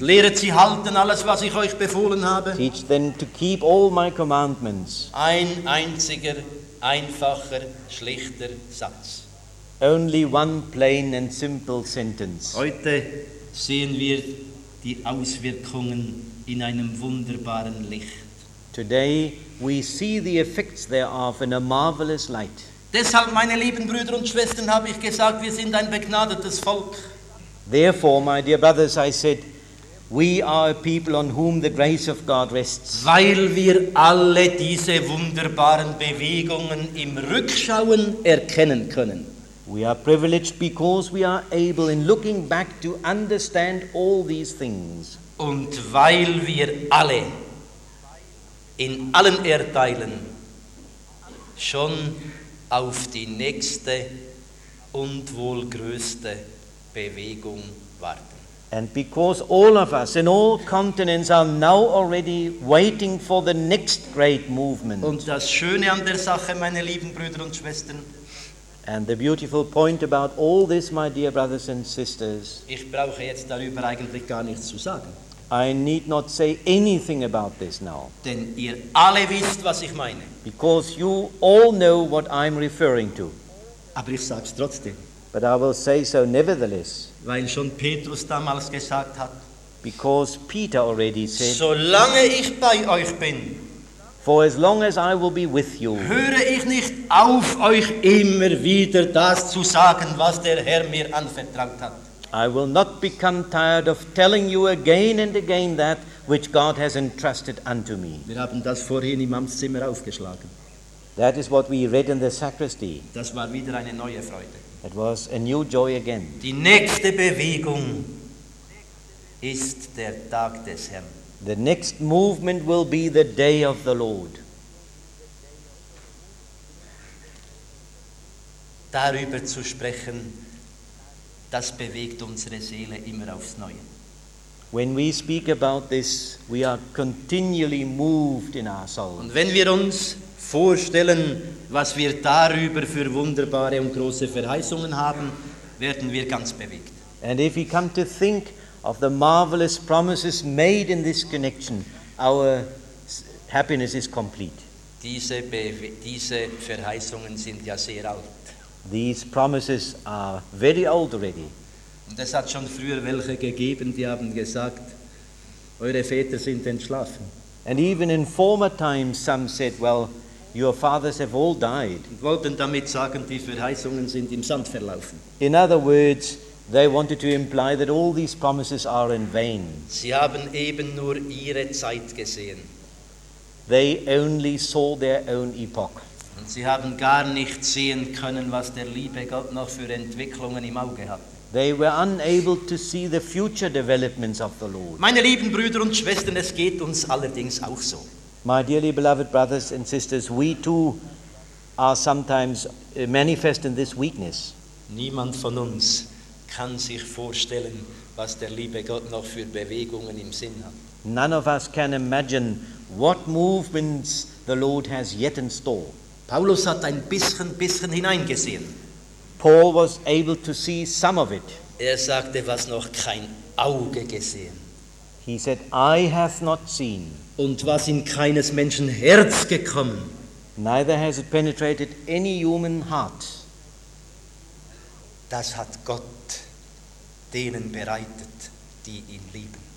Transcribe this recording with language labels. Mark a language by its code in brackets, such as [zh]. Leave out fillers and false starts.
[de] Lehret sie halten alles, was ich euch befohlen habe. [en] Teach them to keep all my commandments. [de] Ein einziger, einfacher, schlichter Satz. [en] Only one plain and simple sentence. [de] Heute sehen wir die Auswirkungen in einem wunderbaren Licht. [en] Today we see the effects thereof in a marvelous light. [de] Deshalb, meine lieben Brüder und Schwestern, habe ich gesagt, wir sind ein begnadetes Volk. [en] Therefore, my dear brothers, I said, We are a people on whom the grace of God rests. [de] Weil wir alle diese wunderbaren Bewegungen im Rückschauen erkennen können. [en] We are privileged because we are able in looking back to understand all these things. [de] Und weil wir alle in allen Erdteilen schon auf die nächste und wohl größte Bewegung warten. [en] And because all of us in all continents are now already waiting for the next great movement. [de] Und das Schöne an der Sache, meine lieben Brüder und Schwestern. [en] And the beautiful point about all this, my dear brothers and sisters. [de] Ich brauche jetzt darüber eigentlich gar nichts zu sagen. [en] I need not say anything about this now. [de] Denn ihr alle wisst, was ich meine. [en] Because you all know what I'm referring to. [de] Aber ich sag's trotzdem. [en] But I will say so nevertheless. [de] Weil schon Petrus damals gesagt hat. [en] Because Peter already said. [de] Solange ich bei euch bin. [en] For as long as I will be with you. [de] Höre ich nicht auf, euch immer wieder das zu sagen, was der Herr mir anvertraut hat. [en] I will not become tired of telling you again and again that which God has entrusted unto me. [de] Wir haben das vorhin im Amtszimmer aufgeschlagen. [en] That is what we read in the sacristy. [de] Das war wieder eine neue Freude. [en] It was a new joy again. [de] Die nächste Bewegung ist der Tag des Herrn. [en] The next movement will be the day of the Lord. [de] Darüber zu sprechen, das bewegt unsere Seele immer aufs Neue. [en] When we speak about this, we are continually moved in our soul. [de] Und wenn wir uns vorstellen, was wir darüber für wunderbare und große Verheißungen haben, werden wir ganz bewegt. [en] And if we come to think of the marvelous promises made in this connection, our happiness is complete. [de] Diese Verheißungen sind ja sehr alt. [en] These promises are very old already. [de] Und es hat schon früher welche gegeben, die haben gesagt, eure Väter sind entschlafen. [en] And even in former times some said, well, your fathers have all died. [de] Und wollten damit sagen, die Verheißungen sind im Sand verlaufen. [en] In other words, they wanted to imply that all these promises are in vain. [de] Sie haben eben nur ihre Zeit gesehen. [en] They only saw their own epoch. [de] Und sie haben gar nicht sehen können, was der liebe Gott noch für Entwicklungen im Auge hat. [en] They were unable to see the future developments of the Lord. [de] Meine lieben Brüder und Schwestern, es geht uns allerdings auch so. [en] My dearly beloved brothers and sisters, we too are sometimes manifest in this weakness. [de] Niemand von uns kann sich vorstellen, was der liebe Gott noch für Bewegungen im Sinn hat. [en] None of us can imagine what movements the Lord has yet in store. [de] Paulus hat ein bisschen hineingesehen. [en] Paul was able to see some of it. [de] Er sagte, was noch kein Auge gesehen. [en] He said, I have not seen. [de] Und was in keines Menschen Herz gekommen. [en] Neither has it penetrated any human heart. [de] Das hat Gott denen bereitet, die ihn lieben.